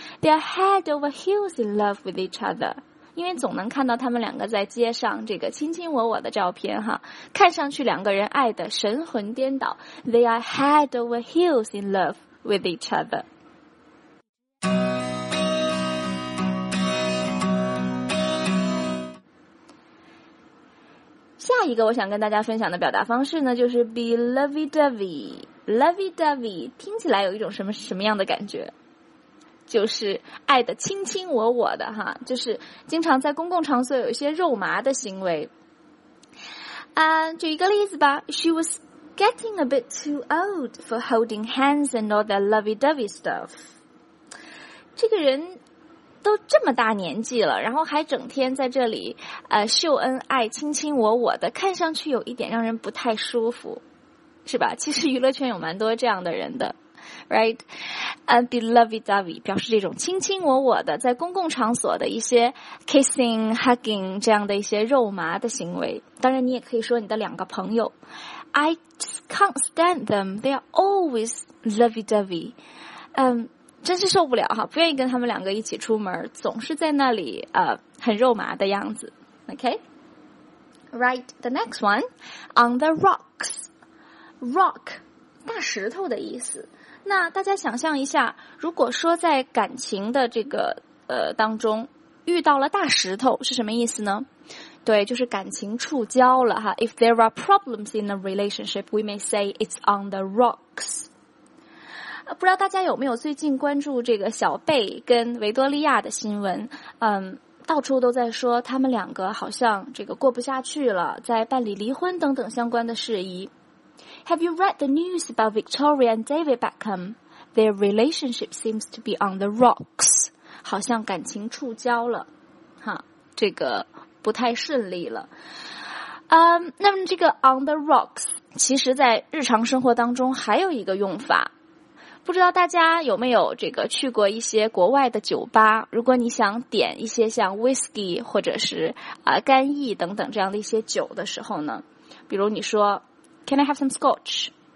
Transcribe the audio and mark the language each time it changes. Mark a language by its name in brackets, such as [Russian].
[English] They are head over heels in love with each other. [Chinese] 因为总能看到他们两个在街上这个卿卿我我的照片哈，看上去两个人爱的神魂颠倒。 [English] They are head over heels in love with each other. [Chinese] 下一个我想跟大家分享的表达方式呢，就是 be lovey-dovey。 lovey-dovey 听起来有一种什么样的感觉，就是爱的卿卿我我的哈，就是经常在公共场所有一些肉麻的行为。举一个例子吧， [English] she was getting a bit too old for holding hands and all that lovey-dovey stuff. [Chinese] 这个人都这么大年纪了，然后还整天在这里秀恩爱，卿卿我我的，看上去有一点让人不太舒服，是吧？其实娱乐圈有蛮多这样的人的。 [English] Right, and be lovey-dovey [Chinese] 表示这种卿卿我我的，在公共场所的一些 kissing, hugging 这样的一些肉麻的行为。当然，你也可以说你的两个朋友 ， [English] I just can't stand them. They are always lovey-dovey. [Chinese] 真是受不了哈，不愿意跟他们两个一起出门，总是在那里很肉麻的样子。 [English] Okay, right. The next one, on the rocks, rock [Chinese] 大石头的意思。那大家想象一下，如果说在感情的这个当中遇到了大石头是什么意思呢？对，就是感情触礁了哈。 [English] If there are problems in a relationship, we may say it's on the rocks. [Chinese] 不知道大家有没有最近关注这个小贝跟维多利亚的新闻？到处都在说他们两个好像这个过不下去了，在办理离婚等等相关的事宜。 [English] Have you read the news about Victoria and David Beckham? Their relationship seems to be on the rocks. [Chinese] 好像感情触礁了，哈，这个不太顺利了。那么这个 on the rocks 其实在日常生活当中还有一个用法。不知道大家有没有这个去过一些国外的酒吧，如果你想点一些像 whiskey 或者是干邑等等这样的一些酒的时候呢，比如你说 [English] Can I have some scotch?